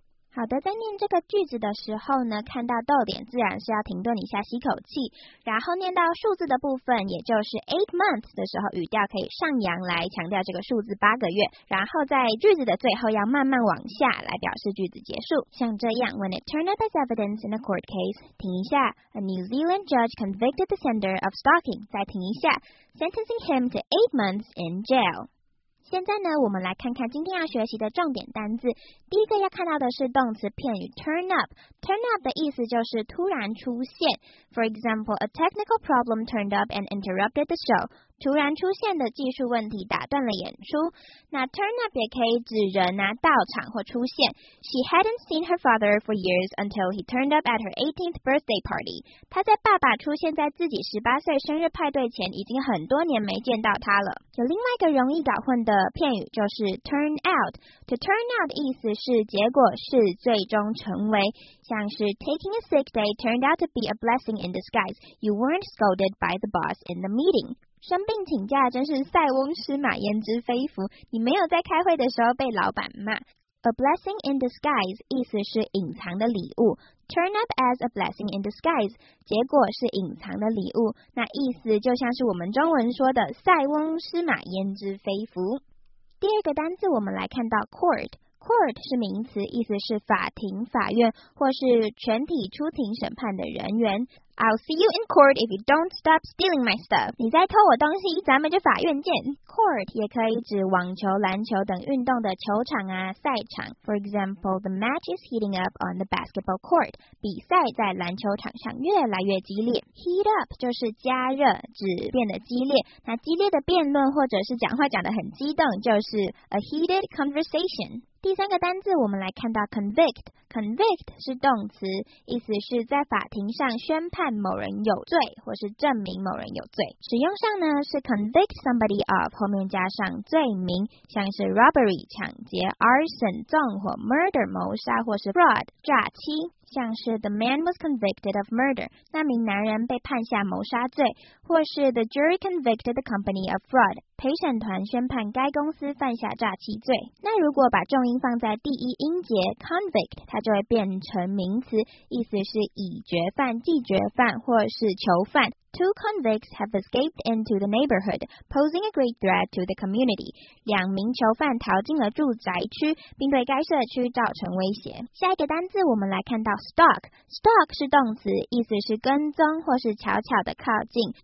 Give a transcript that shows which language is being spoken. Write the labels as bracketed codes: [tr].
[zh] 好的，在念这个句子的时候呢，看到逗点自然是要停顿一下吸口气，然后念到数字的部分，也就是 8 months 的时候，语调可以上扬来强调这个数字8个月，然后在句子的最后要慢慢往下来表示句子结束，像这样 [en] When it turned up as evidence in a court case [zh] 停一下 [en] A New Zealand judge convicted the sender of stalking [zh] 再停一下 [en] Sentencing him to 8 months in jail [zh] 现在呢，我们来看看今天要学习的重点单字。第一个要看到的是动词片语 turn up。turn up 的意思就是突然出现。 [en] For example, a technical problem turned up and interrupted the show。 [zh] 突然出现的技术问题打断了演出。那 turn up 也可以指人啊，到场或出现。 [en] She hadn't seen her father for years until he turned up at her 18th birthday party。 [zh] 她在爸爸出现在自己18岁生日派对前，已经很多年没见到他了。有另外一个容易搞混的片语就是 turn out。 To turn out 意思是结果是最终成为。像是 [en] taking a sick day turned out to be a blessing in disguise. You weren't scolded by the boss in the meeting. [zh] 生病请假真是塞翁失马焉知非福，你没有在开会的时候被老板骂。 A blessing in disguise 意思是隐藏的礼物， [en] turn up as a blessing in disguise [zh] 结果是隐藏的礼物，那意思就像是我们中文说的塞翁失马焉知非福。第二个单字我们来看到 courtCourt 是名词，意思是法庭、法院，或是全体出庭审判的人员。 [en] I'll see you in court if you don't stop stealing my stuff. [zh] 你再偷我东西，咱们就法院见。Court 也可以指网球、篮球等运动的球场啊、赛场。 [en] For example, the match is heating up on the basketball court. [zh] 比赛在篮球场上越来越激烈。Heat up 就是加热，指变得激烈。那激烈的辩论或者是讲话讲得很激动，就是 a heated conversation. 第三个单字我们来看到 convict， convict 是动词，意思是在法庭上宣判某人有罪或是证明某人有罪，使用上呢是 convict somebody of 后面加上罪名，像是 robbery 抢劫， arson 纵火， murder 谋杀，或是 fraud 诈欺。像是 [en] The man was convicted of murder, [zh] 那名男人被判下谋杀罪，或是 [en] The jury convicted the company of fraud, [zh] 陪审团宣判该公司犯下诈欺罪。那如果把重音放在第一音节 convict, 它就会变成名词，意思是已决犯、既决犯或是囚犯。 [en] Two convicts have escaped into the neighborhood, posing a great threat to the community. [zh] 两名囚犯逃进了住宅区，并对该社区造成威胁。下一个单字我们来看到 stalk. Stalk 是动词，意思是跟踪或是悄悄的靠近。